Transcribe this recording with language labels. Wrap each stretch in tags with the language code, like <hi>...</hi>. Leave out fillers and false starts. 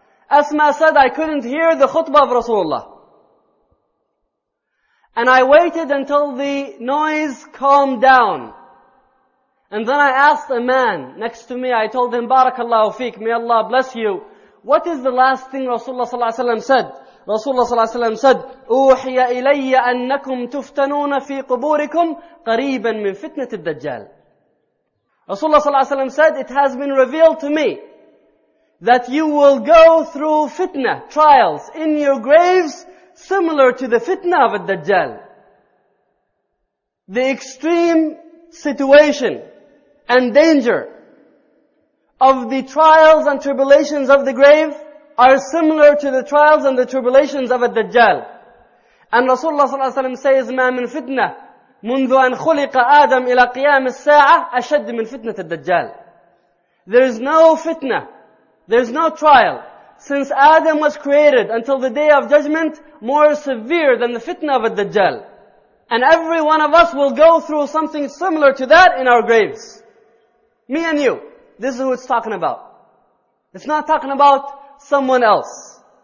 <en>Asma said, I couldn't hear the khutbah of Rasulullah. And I waited until the noise calmed down. And then I asked a man next to me, I told him, Barakallahu feek, may Allah bless you. What is the last thing Rasulullah sallallahu alayhi wa sallam said?</en> <ar>Rasulullah sallallahu alayhi wa sallam said, أُوحِيَ إِلَيَّ أَنَّكُمْ تُفْتَنُونَ فِي قُبُورِكُمْ قَرِيبًا مِنْ فِتْنَةِ الدَّجَّالِ.</ar> <en>Rasulullah sallallahu alayhi wa sallam said, it has been revealed to me that you will go through fitna, trials in your graves similar to the fitna of al-Dajjal. The extreme situation and danger of the trials and tribulations of the grave are similar to the trials and the tribulations of al-Dajjal.</en> <ar>And Rasulullah sallallahu alayhi wa sallam says, مَا مِنْ فِتْنَةِ مُنْذُ أَنْ خُلِقَ آدَمْ إِلَى قِيَامِ السَّاعَةِ أَشَدِّ مِنْ فِتْنَةِ الدَّجَّالِ.</ar> <en>There is no fitna, there is no trial since Adam was created until the Day of Judgment more severe than the fitna of al-Dajjal. And every one of us will go through something similar to that in our graves. Me and you. This is who it's talking about. It's not talking about someone else.</en>